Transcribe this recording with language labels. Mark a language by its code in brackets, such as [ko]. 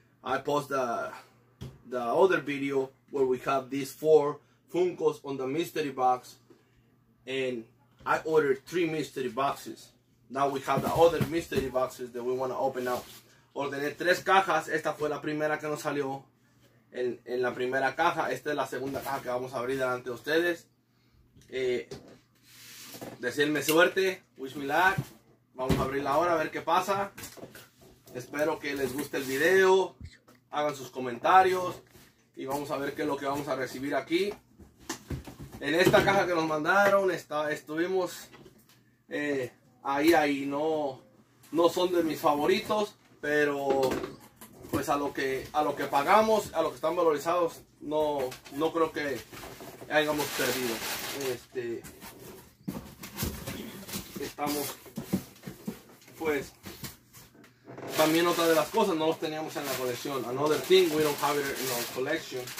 [en] I post the other video where we have these four Funkos on the mystery box, and I ordered three mystery boxes. Now we have the other mystery boxes that we want to open up. [es] Ordené tres cajas. Esta fue la primera que nos salió en la primera caja. Esta es la segunda caja que vamos a abrir delante de ustedes. Decirme suerte, [en] wish me luck. [es] Vamos a abrirla ahora a ver qué pasa. Espero que les guste el video. Hagan sus comentarios y vamos a ver qué es lo que vamos a recibir aquí. En esta caja que nos mandaron estuvimos ahí. No son de mis favoritos, pero pues a lo que pagamos, a lo que están valorizados, no creo que hayamos perdido. Estamos, pues, también otra de las cosas, no los teníamos en la colección. [en] Another thing, we don't have it in our collection.